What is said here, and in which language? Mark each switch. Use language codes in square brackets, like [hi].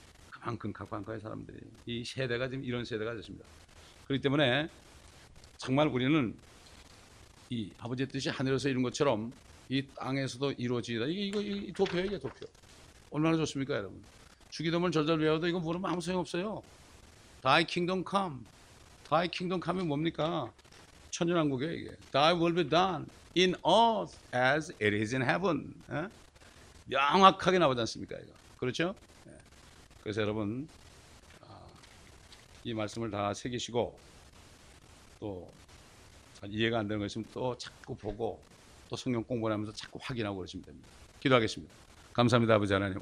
[ko] 그만큼 각박한 사람들이 이 세대가 지금 이런 세대가 됐습니다. 그렇기 때문에 정말 우리는 이 아버지의 뜻이 하늘에서 이룬 것처럼 이 땅에서도 이루어지리라. 이 도표예요, 이게 도표. 얼마나 좋습니까, 여러분? 주기도문 절절 외워도 이거 모르면 아무 소용 없어요. [en] Thy kingdom come. Thy kingdom come이 [ko] 뭡니까? 천년왕국이에요, 이게. [en] Thy will be done in earth as it is in heaven. [ko] 예? 명확하게 나오지 않습니까, 이거? 그렇죠? 예. 그래서 여러분, 이 말씀을 다 새기시고, 또, 잘 이해가 안 되는 거 있으면 또 자꾸 보고, 또 성경 공부를 하면서 자꾸 확인하고 그러시면 됩니다. 기도하겠습니다. 감사합니다, 아버지 하나님.